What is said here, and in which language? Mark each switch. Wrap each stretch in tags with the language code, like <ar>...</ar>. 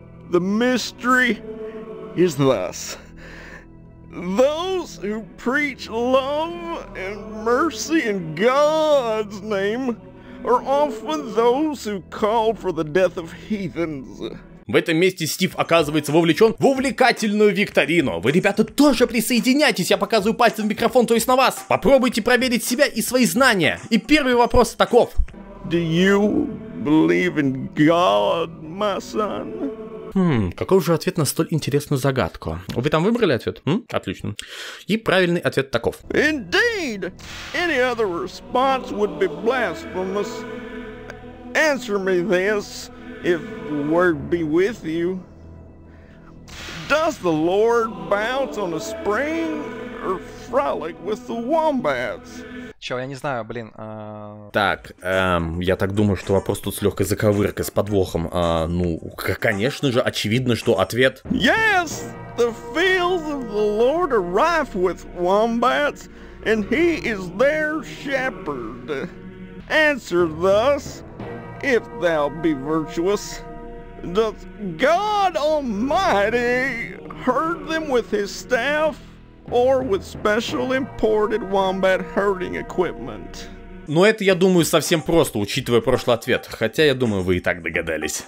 <en>The mystery is thus. Those who preach love and mercy in God's name are often those who call for the death of heathens.</en> <ru>В этом месте Стив оказывается вовлечен в увлекательную викторину. Вы, ребята, тоже присоединяйтесь, я показываю пальцем микрофон, то есть на вас. Попробуйте проверить себя и свои знания. И первый вопрос таков.</ru> <en>Do you believe in God, my son?</en> <ru>Какой же ответ на столь интересную загадку? Вы там выбрали ответ? Отлично. И правильный ответ таков.</ru> <en>Indeed! Any other response would be blasphemous. Answer me this. If the word be with you, does the Lord bounce on a spring or frolic with the wombats?</en> <ru>Чё, я не знаю, блин. Так, я так думаю, что вопрос тут с легкой заковыркой, с подвохом. Конечно же, очевидно, что ответ...</ru> <en>Yes, the fields of the Lord are rife with wombats, and he is their shepherd. Answer thus... If thou be virtuous, doth God Almighty herd them with his staff or with special imported wombat herding equipment?</en> <ru>Ну это, я думаю, совсем просто, учитывая прошлый ответ. Хотя, я думаю, вы и так догадались.</ru>